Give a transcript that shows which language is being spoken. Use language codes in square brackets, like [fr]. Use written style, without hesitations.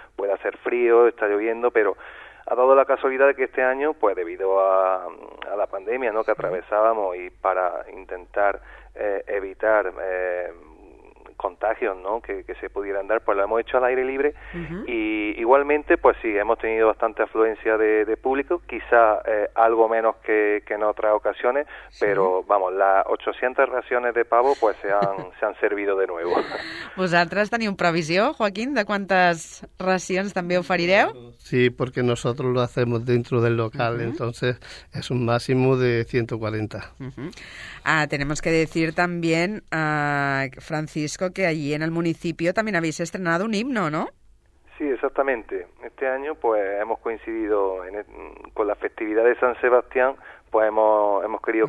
[es] Puede hacer frío, está lloviendo, pero ha dado la casualidad de que este año, pues debido a la pandemia, ¿no?, que atravesábamos, y para intentar evitar contagios, ¿no?, que se pudieran dar, pues lo hemos hecho al aire libre. Uh-huh. Y igualmente, pues sí, hemos tenido bastante afluencia de público, quizá algo menos que en otras ocasiones, ¿sí?, pero vamos, las 800 raciones de pavo, pues se han servido de nuevo. [ca] ¿Vosaltres teniu previsió, Joaquín, de quantes racions també oferireu? [es] Sí, porque nosotros lo hacemos dentro del local, uh-huh. entonces es un máximo de 140. Uh-huh. Tenemos que decir también, Francisco, que allí en el municipio también habéis estrenado un himno, ¿no? Sí, exactamente. Este año, pues, hemos coincidido con la festividad de San Sebastián, pues hemos querido uh-huh.